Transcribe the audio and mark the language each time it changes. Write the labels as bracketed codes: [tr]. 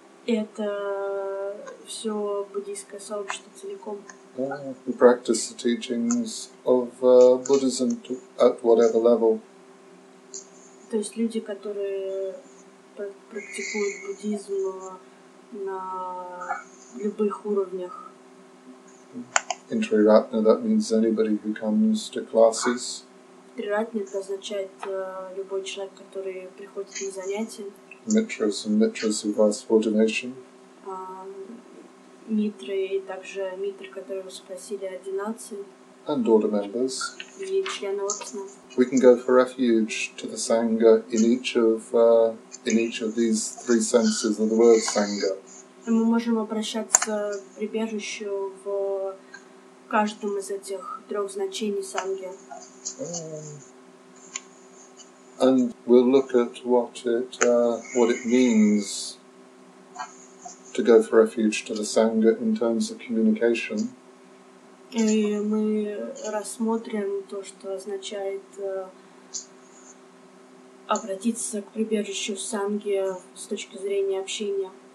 [ru] Это все буддийское сообщество целиком. [en] We practice the teachings of Buddhism at whatever level. [ru] То есть люди, которые практикуют буддизм на любых уровнях. [en] Intriratna, that means anybody who comes to classes. [ru] Триратни — это означает любой человек, который приходит на занятия. [en] Митрас and Митрас who ask for donation. [ru] Митры и также Митры, которые спросили о донации. [en] And order members. [ru] И члены ордена. [en] We can go for refuge to the Sangha in each of these three senses of the word Sangha. [ru] И мы можем обращаться к прибежищу в каждом из этих трех значений Сангхи. [en] And we'll look at what it means to go for refuge to the Sangha in terms of communication. [ru] И мы рассмотрим то, что означает обратиться к прибежищу Сангхи с точки зрения общения.